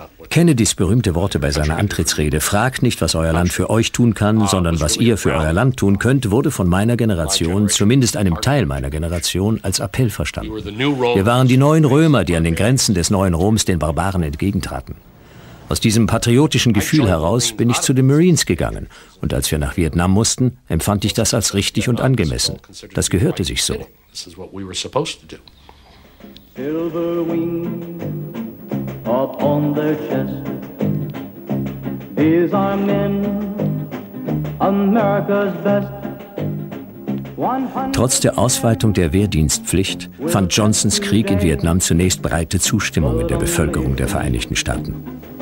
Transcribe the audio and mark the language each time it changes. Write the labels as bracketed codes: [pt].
[de] Kennedys berühmte Worte bei seiner Antrittsrede, fragt nicht, was euer Land für euch tun kann, sondern was ihr für euer Land tun könnt, wurde von meiner Generation, zumindest einem Teil meiner Generation, als Appell verstanden. Wir waren die neuen Römer, die an den Grenzen des neuen Roms den Barbaren entgegentraten. Aus diesem patriotischen Gefühl heraus bin ich zu den Marines gegangen. Und als wir nach Vietnam mussten, empfand ich das als richtig und angemessen. Das gehörte sich so. [en] This is what we were supposed to do. Silver wings upon their chest. These are men, America's best. [de] Trotz der Ausweitung der Wehrdienstpflicht fand Johnsons Krieg in Vietnam zunächst breite Zustimmung in der Bevölkerung der Vereinigten Staaten.